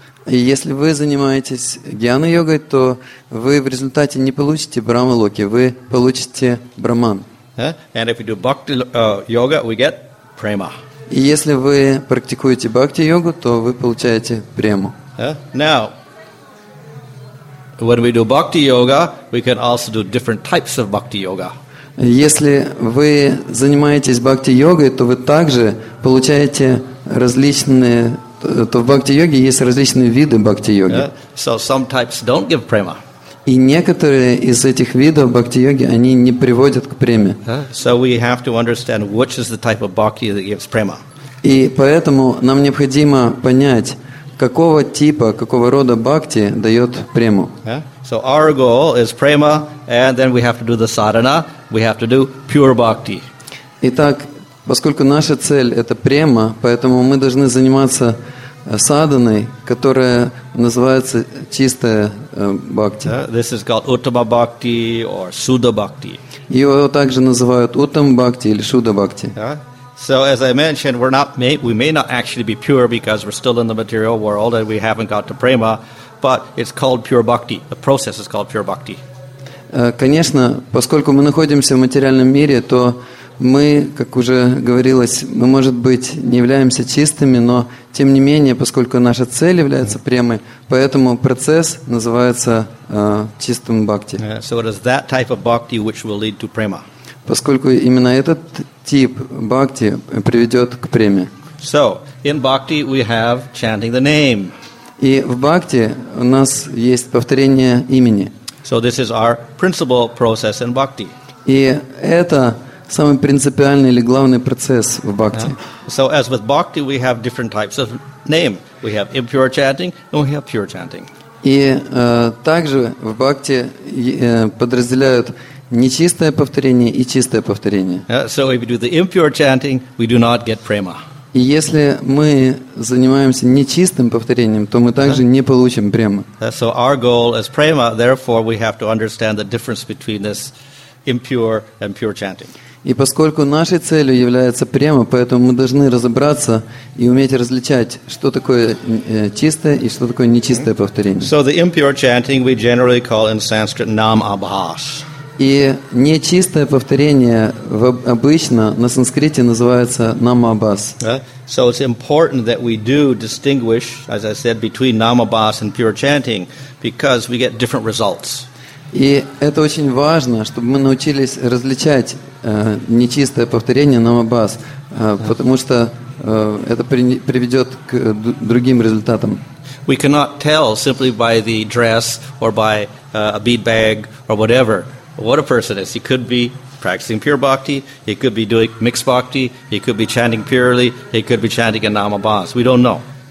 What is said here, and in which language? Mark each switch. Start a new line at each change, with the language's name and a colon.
Russian: И если вы занимаетесь гьяна йогой, то вы в результате не получите брамалоки, вы получите брахман.
English: And if you do bhakti yoga, we get prema.
Russian: И если вы практикуете бхакти йогу, то вы получаете прему.
English: Now, when we do bhakti yoga, we can also do different types of bhakti yoga.
Russian: Если вы занимаетесь бхакти-йогой, то вы также получаете различные... То в бхакти-йоге есть различные виды бхакти-йоги.
English: Yeah. So some types don't give prema.
Russian: И некоторые из этих видов бхакти-йоги, они не приводят к преме.
English: So we have to understand which is the type of bhakti that gives prema.
Russian: И поэтому нам необходимо понять, какого типа, какого рода бхакти дает прему.
English: Yeah. So our goal is prema, and then we have to do the sadhana. We have to do pure bhakti.
Russian: Итак, поскольку наша цель это према, поэтому мы должны заниматься садханой, которая называется чистая бхакти.
English: This is called uttama bhakti or shuddha bhakti.
Russian: Ее также называют uttama bhakti или shuddha bhakti.
English: So as I mentioned, we may not actually be pure because we're still in the material world and we haven't got to prema, but it's called pure bhakti. The process is called pure bhakti.
Russian: Конечно, поскольку мы находимся в материальном мире, то мы, как уже говорилось, мы, может быть, не являемся чистыми, но, тем не менее, поскольку наша цель является премой, поэтому процесс называется чистым бхакти.
English: So it is that type of bhakti which will lead to prema.
Russian: Поскольку именно этот тип бхакти приведет к преме.
English: So, in bhakti we have chanting the name.
Russian: И в бхакти у нас есть повторение имени.
English: So this is our principal process in bhakti.
Russian: И это самый принципиальный или главный процесс в бхакти.
English: So as with bhakti, we have different types of name. We have impure chanting and we have pure chanting.
Russian: И также в бхакти подразделяют нечистое повторение и чистое повторение.
English: So if we do the impure chanting, we do not get prema.
Russian: И если мы занимаемся нечистым повторением, то мы также не получим прему.
English: So our goal is prema, therefore we have to understand the difference between this impure and pure chanting.
Russian: И поскольку нашей целью является према, поэтому мы должны разобраться и уметь различать, что такое чистое и что такое нечистое повторение.
English: So the impure chanting we generally call in Sanskrit nam abhas.
Russian: И нечистое повторение обычно на санскрите называется намабас.
English: So it's important that we do distinguish, as I said, between намабас and pure chanting, because we get different results.
Russian: И это очень важно, чтобы мы научились различать нечистое повторение намабас, потому что это приведет к другим результатам.
English: We cannot tell simply by the dress or by a bead bag or whatever. What a person is. He could be practicing pure bhakti, he could be doing mixed bhakti, he could be chanting purely, he could be chanting a namabhas. We don't know.